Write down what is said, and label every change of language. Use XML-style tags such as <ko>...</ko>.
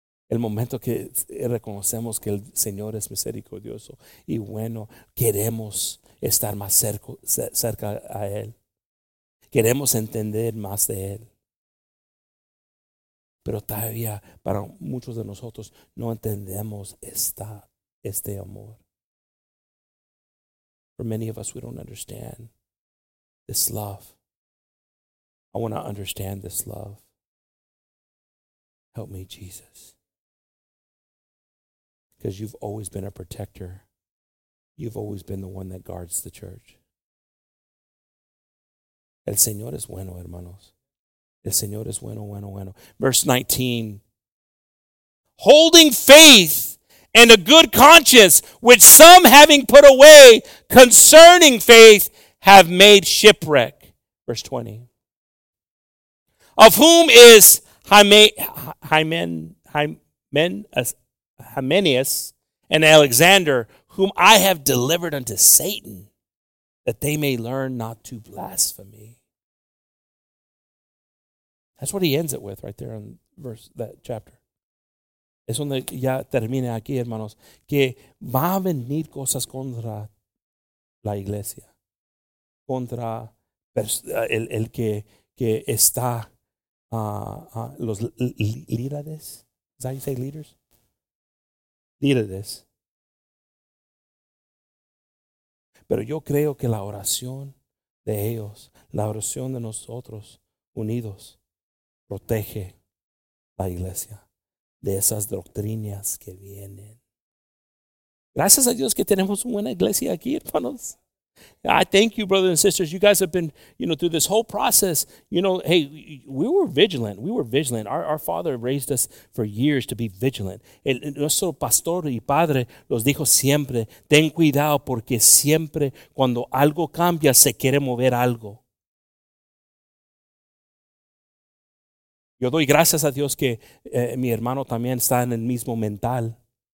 <es>El momento que reconocemos que el Señor es misericordioso y bueno, queremos estar más cerca a Él. Queremos entender más de Él. Pero todavía para muchos de nosotros no entendemos este amor.</es> <en>For many of us, we don't understand this love. I want to understand this love. Help me, Jesus. Because you've always been a protector. You've always been the one that guards the church.</en> <es>El Señor es bueno, hermanos. El Señor es bueno, bueno, bueno.</es> <en>Verse 19. Holding faith and a good conscience, which some having put away concerning faith have made shipwreck. Verse 20. Of whom is Hymenaeus and Alexander, whom I have delivered unto Satan, that they may learn not to blaspheme. That's what he ends it with right there in that chapter.</en> <es>Es donde ya termina aquí, hermanos, que va a venir cosas contra la iglesia, contra el que está los líderes.</es> <en>Is that how you say leaders?</en> <es>Líderes. Pero yo creo que la oración de ellos, la oración de nosotros unidos, protege la iglesia de esas doctrinas que vienen. Gracias a Dios que tenemos una buena iglesia aquí, hermanos.</es> <en>I thank you, brothers and sisters. You guys have been, you know, through this whole process. You know, hey, we were vigilant. We were vigilant. Our father raised us for years to be vigilant.</en> <es>Nuestro pastor y padre los dijo siempre, ten cuidado porque siempre cuando algo cambia se quiere mover algo. Yo doy gracias a Dios que mi hermano también está en el mismo mental.</es>